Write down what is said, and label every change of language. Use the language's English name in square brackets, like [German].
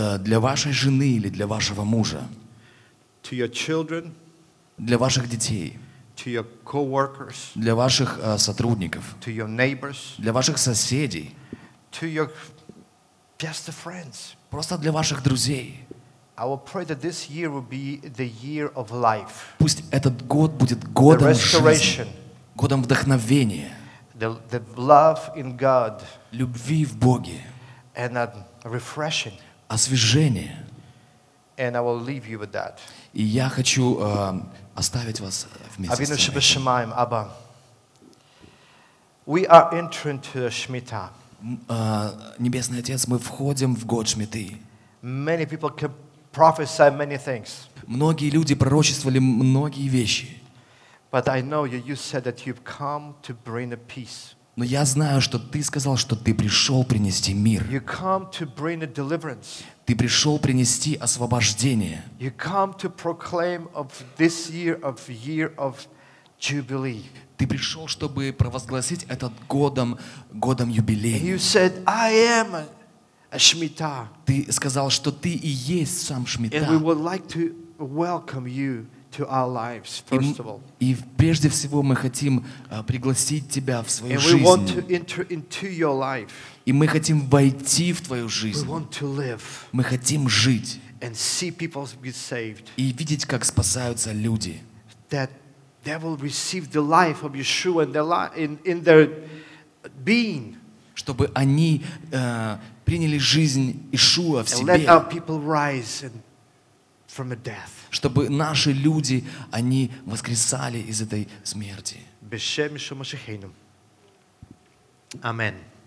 [Russian] Для вашей жены или для вашего мужа. [English] To your children. [Russian] Для ваших детей. [English] To your co-workers. [Russian] Для ваших сотрудников. [English] To your neighbors. [Russian] Для ваших соседей. [English] To your best friends. [Russian] Просто для ваших друзей. [English] I will pray that this year will be the year of life. [Russian] Пусть этот год будет годом жизни, годом вдохновения. [English] The love in God. [Russian] Любви в Боге. [English] And a refreshing. [Russian] Освежение. [English] And I will leave you with that. [Russian] И я хочу оставить вас вместе с этим. [English] Abba, we are entering to the Shemitah. [Russian] Небесный Отец, мы входим в год Шмиты. [English] Many people can prophesy many things. [Russian] Многие люди пророчествовали многие вещи. [English] But I know you said that you've come to bring a peace. [Russian] Но я знаю, что ты сказал, что ты пришел принести мир. [English] You come to bring a deliverance. [Russian] Ты пришел принести освобождение. [English] You come to proclaim of this year of year of jubilee. [Russian] Ты пришел, чтобы провозгласить этот годом юбилея. [English] And you said, I am a Shemitah. [Russian] Ты сказал, что ты и есть сам Шмита. [English] And we would like to welcome you. To our lives, first of all. [Russian] И прежде всего мы хотим пригласить тебя в свою жизнь. [English] And we want to enter into your life. [Russian] И мы хотим войти в твою жизнь. [English] We want to live. [Russian] Мы хотим жить. [English] And see people be saved. [Russian] И видеть, как спасаются люди. [English] That they will receive the life of Yeshua in their being. [Russian] Чтобы они приняли жизнь Ишуа в себе. [English] And let our people rise and from a death. [Russian] Чтобы наши люди, они воскресали из этой смерти. [Hebrew] Бешем Ишуа Машихейну. Амен.